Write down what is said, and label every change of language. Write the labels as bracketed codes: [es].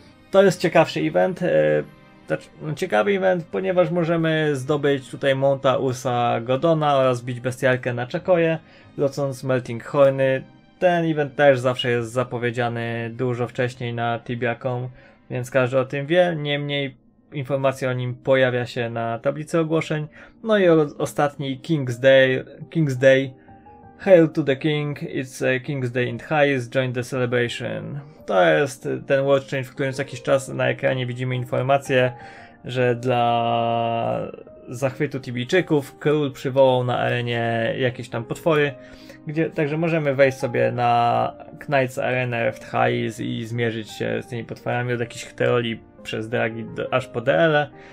[pl] To jest ciekawszy event. Ciekawy event, ponieważ możemy zdobyć tutaj Mounta Ursa Godona oraz bić bestialkę na Czekoje, locąc Melting Horny. Ten event też zawsze jest zapowiedziany dużo wcześniej na Tibia.com, więc każdy o tym wie. Niemniej informacja o nim pojawia się na tablicy ogłoszeń. No i ostatni King's Day. [en] Hail to the King, it's a King's Day in Highest, join the celebration. [pl] To jest ten world change, w którym co jakiś czas na ekranie widzimy informację, że dla zachwytu Tibijczyków król przywołał na arenie jakieś tam potwory. Także możemy wejść sobie na Knight's Arena w Highest i zmierzyć się z tymi potworami od jakichś teoli przez dragi aż po DL-e.